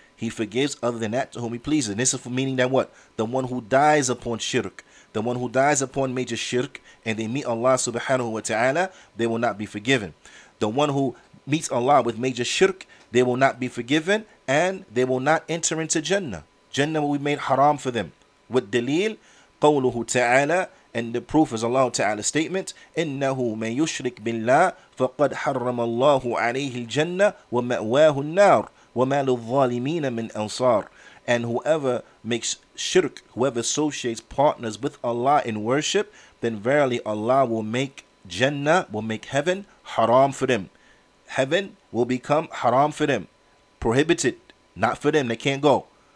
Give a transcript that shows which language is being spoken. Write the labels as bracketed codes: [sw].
[en] He forgives other than that to whom he pleases. And this is for meaning that what? The one who dies upon shirk, the one who dies upon major shirk, and they meet Allah subhanahu wa ta'ala, they will not be forgiven. The one who meets Allah with major shirk, they will not be forgiven, and they will not enter into Jannah. Jannah will be made haram for them. With dalil, [ar] قوله تعالى, [en] And the proof is Allah Ta'ala's statement, [ar] إِنَّهُ مَنْ يُشْرِكْ بِاللَّهِ فَقَدْ حَرَّمَ اللَّهُ عَلَيْهِ الْجَنَّةِ وَمَأْوَاهُ النَّارِ وَمَا لِلظَّالِمِينَ مِنْ أَنصَارِ. [en] And whoever makes shirk, whoever associates partners with Allah in worship, then verily Allah will make Jannah, will make heaven haram for them. Heaven will become haram for them. Prohibited. Not for them. They can't go.